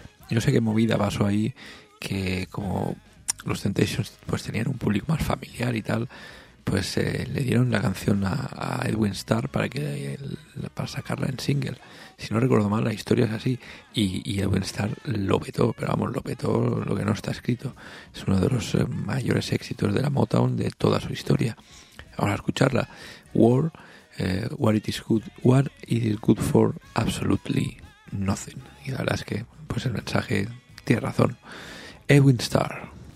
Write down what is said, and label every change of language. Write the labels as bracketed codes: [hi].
[es] Yo sé qué movida pasó ahí, que como los Temptations pues tenían un público más familiar y tal, pues le dieron la canción a Edwin Starr para que para sacarla en single. Si no recuerdo mal, la historia es así, y Edwin Starr lo petó, pero vamos, lo petó lo que no está escrito. Es uno de los mayores éxitos de la Motown de toda su historia. Vamos a escucharla. [en] War, what it is good, what it is good for, absolutely nothing. [es] Y la verdad es que pues el mensaje tiene razón. Edwin Starr.